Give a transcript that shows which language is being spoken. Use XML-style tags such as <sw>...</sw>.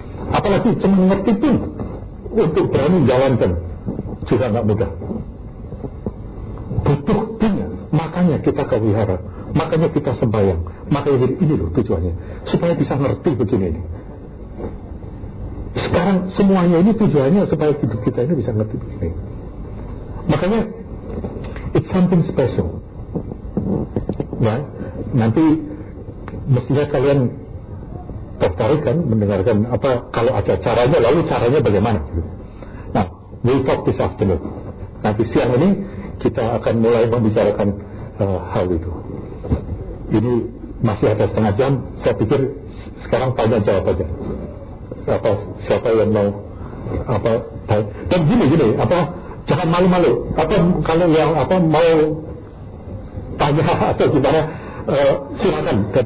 <id>Apalagi cuma ngerti pun, untuk berani jalankan juga gak mudah. Butuh dengan, makanya kita ke wihara, makanya kita sembahyang, makanya ini loh tujuannya, supaya bisa ngerti begini ini. Sekarang semuanya ini tujuannya supaya hidup kita ini bisa ngerti begini. Makanya</id> <en>it's something special.</en> <id>Nah, nanti mestinya kalian tertarik kan mendengarkan apa kalau ada caranya, lalu caranya bagaimana.</id> <en>Nah, we'll talk this afternoon.</en> <id>Nanti siang ini kita akan mulai membicarakan hal itu. Ini masih ada setengah jam, saya pikir sekarang tanya jawab aja. Apa siapa yang mau apa tanya. Dan gini apa jangan malu-malu apa kalau yang apa mau tanya atau gimana silakan.</id>